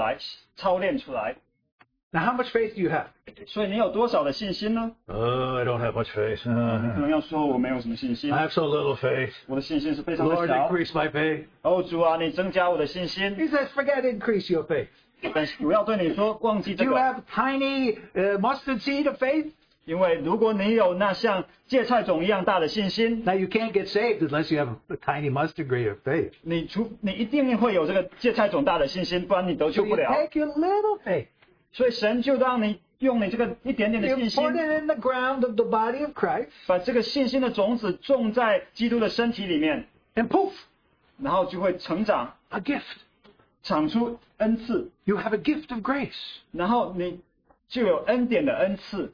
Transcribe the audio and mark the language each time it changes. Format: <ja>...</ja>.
<zh>第六节这里就是按着我们所得的这个恩赐各有不同，然后说到照着信心的程度要显出来，操练出来。</zh> <en>Now how much faith do you have?</en> <zh>所以你有多少的信心呢？</zh> <en>I don't have much faith.</en> <zh>不能要说我没有什么信心。</zh> <en>I have so little faith.</en> <zh>我的信心是非常小。</zh> <en>Lord, increase my faith.</en> <zh>哦，主啊，你增加我的信心。</zh> <en>He says, forget increase your faith.</en> <zh>但是主要对你说，忘记这个。</zh> <en>Do you have tiny mustard seed of faith?</en> <zh>因为如果你有那像芥菜种一样大的信心，</zh> <en>Now you can't get saved unless you have a tiny mustard grain of faith.</en> <zh>你一定会有这个芥菜种大的信心， 不然你得救不了。</zh> <en>So you take your little faith.</en> <zh>所以神就让你用你这个一点点的信心，</zh> <en>You put it in the ground of the body of Christ.</en> <zh>把这个信心的种子种在基督的身体里面，</zh> <en>And poof!</en> <zh>然后就会成长，</zh> <en>A gift.</en> <zh>长出恩赐。</zh> <en>You have a gift of grace.</en> <zh>然后你 就有恩典的恩赐。</zh>